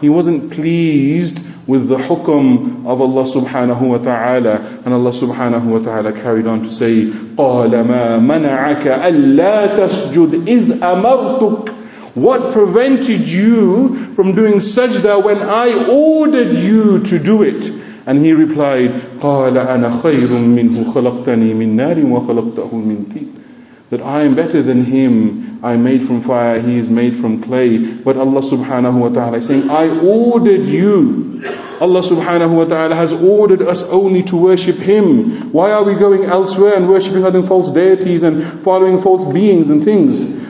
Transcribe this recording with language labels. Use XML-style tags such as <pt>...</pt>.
<en>He wasn't pleased with the hukum of Allah subhanahu wa ta'ala. And Allah subhanahu wa ta'ala carried on to say,</en> <ar>قَالَ مَا مَنَعَكَ أَلَّا تَسْجُدْ إِذْ أَمَرْتُكَ.</ar> <en>What prevented you from doing sajda when I ordered you to do it? And he replied,</en> <ar>قَالَ أَنَا خَيْرٌ مِّنْهُ خَلَقْتَنِي مِنْ نَارٍ وَخَلَقْتَهُ مِنْ تِينٍ.</ar> <en>That I am better than him. I am made from fire, he is made from clay. But Allah subhanahu wa ta'ala is saying, I ordered you. Allah subhanahu wa ta'ala has ordered us only to worship him. Why are we going elsewhere and worshipping other false deities and following false beings and things?</en>